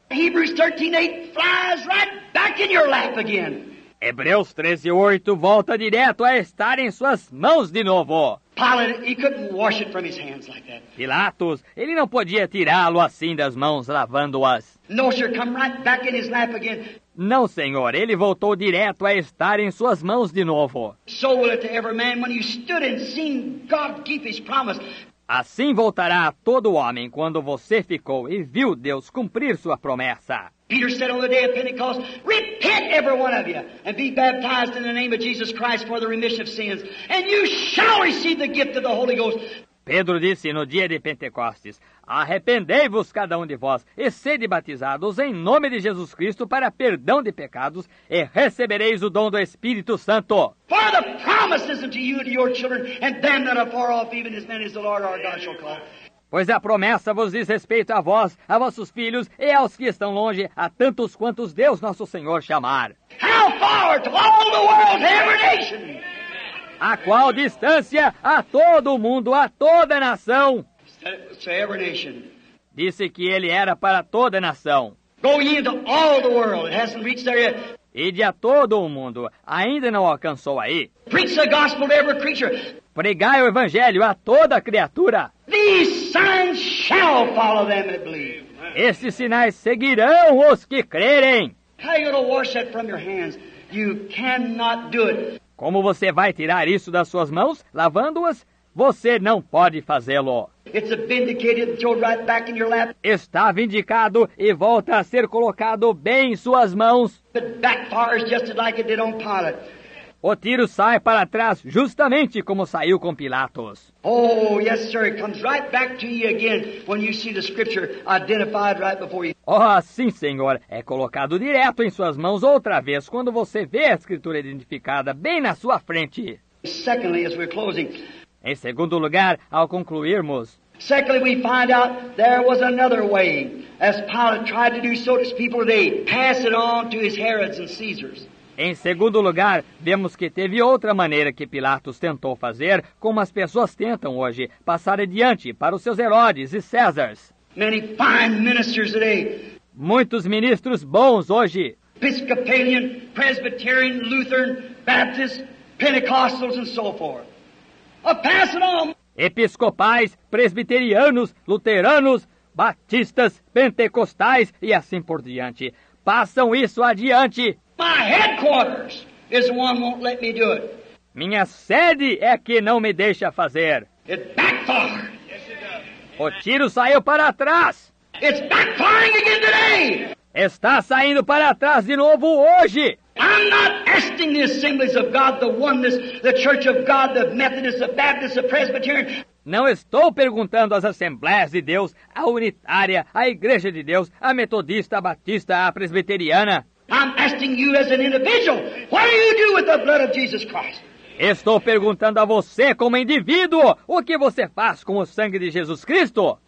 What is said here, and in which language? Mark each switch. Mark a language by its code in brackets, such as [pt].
[en] Hebrews 13:8 flies right back in your lap again. [pt] Hebreus 13:8 volta direto a estar em suas mãos de novo. [en] Pilate, he couldn't wash it from his hands like that. [pt] Pilatos, ele não podia tirá-lo assim das mãos, lavando-as. [en] No, sir, come right back in his lap again. [pt] Não, senhor, ele voltou direto a estar em suas mãos de novo. [en] So will it to every man when you stood and seen God keep his promise. [pt] Assim voltará a todo homem quando você ficou e viu Deus cumprir sua promessa. [en] Peter said on the day of Pentecost, repent every one of you and be baptized in the name of Jesus Christ for the remission of sins, and you shall receive the gift of the Holy Ghost. [pt] Pedro disse no dia de Pentecostes, arrependei-vos cada um de vós e sede batizados em nome de Jesus Cristo para perdão de pecados e recebereis o dom do Espírito Santo. [en] For the promises unto you and your children and them that are far off, even as many as the Lord our God shall call. [pt] Pois a promessa vos diz respeito a vós, a vossos filhos e aos que estão longe, a tantos quantos Deus nosso Senhor chamar. [en] How far to all the world, every nation? [pt] A qual distância? A todo mundo, a toda nação. [en] To every nation. [pt] Disse que ele era para toda nação. [en] Go ye into all the world. It hasn't reached there yet. [pt] e de a todo o mundo, ainda não alcançou aí. [en] Preach the gospel to every creature. [pt] Pregai o evangelho a toda criatura. [en] These signs shall follow them that believe. [pt] Esses sinais seguirão os que crerem. [en] How are you going to wash that from your hands? You cannot do it. [pt] Como você vai tirar isso das suas mãos, lavando-as? Você não pode fazê-lo. [en] It's a vindicated throw right back in your lap. [pt] Está vindicado e volta a ser colocado bem em suas mãos. [en] It backfires just like it did on Pilate. [pt] O tiro sai para trás justamente como saiu com Pilatos. [en] Oh, yes, sir. It comes right back to you again when you see the scripture identified right before you. [pt] Oh, sim, senhor. É colocado direto em suas mãos outra vez quando você vê a escritura identificada bem na sua frente. [en] Secondly, as we're closing. [pt] Em segundo lugar, ao concluirmos. [en] Secondly, we find out there was another way, as Pilate tried to do so to his people today, pass it on to his Herods and Caesars. [pt] Em segundo lugar, vemos que teve outra maneira que Pilatos tentou fazer, como as pessoas tentam hoje, passar adiante para os seus Herodes e Césars. [en] Many fine ministers today. [pt] Muitos ministros bons hoje. [en] Episcopalian, Presbyterian, Lutheran, Baptist, Pentecostals and so forth. Pass it on. [pt] Episcopais, presbiterianos, luteranos, batistas, pentecostais e assim por diante. Passam isso adiante. [en] My headquarters is the one who won't let me do it. [pt] Minha sede é que não me deixa fazer. [en] It backfired. [pt] O tiro saiu para trás. [en] It's backfiring again today. [pt] Está saindo para trás de novo hoje. [en] I'm not asking the assemblies of God, the oneness, the church of God, the Methodist, the Baptist, the Presbyterian. [pt] Não estou perguntando às assembleias de Deus, a unitária, a igreja de Deus, a metodista, a batista, a presbiteriana. [en] I'm asking you as an individual, what do you do with the blood of Jesus Christ? [pt] Estou perguntando a você como indivíduo, o que você faz com o sangue de Jesus Cristo?